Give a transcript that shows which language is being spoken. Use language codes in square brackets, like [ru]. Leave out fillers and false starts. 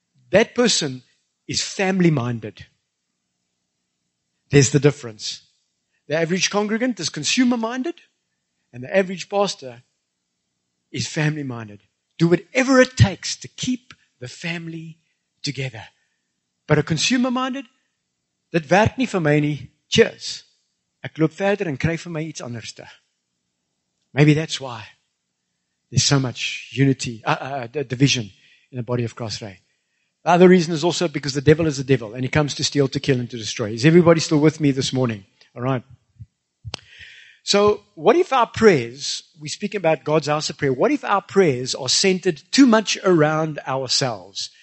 [en] That person is family-minded. There's the difference. The average congregant is consumer-minded, and the average pastor is family-minded. Do whatever it takes to keep the family together. But a consumer-minded, [af] dit werk nie vir my nie, cheers. Ek loop verder en kry vir my iets anders. [en] Maybe that's why there's so much unity, division in the body of Christ, right? The other reason is also because the devil is the devil, and he comes to steal, to kill, and to destroy. Is everybody still with me this morning? All right. So what if our prayers, we speak about God's house of prayer, what if our prayers are centered too much around ourselves?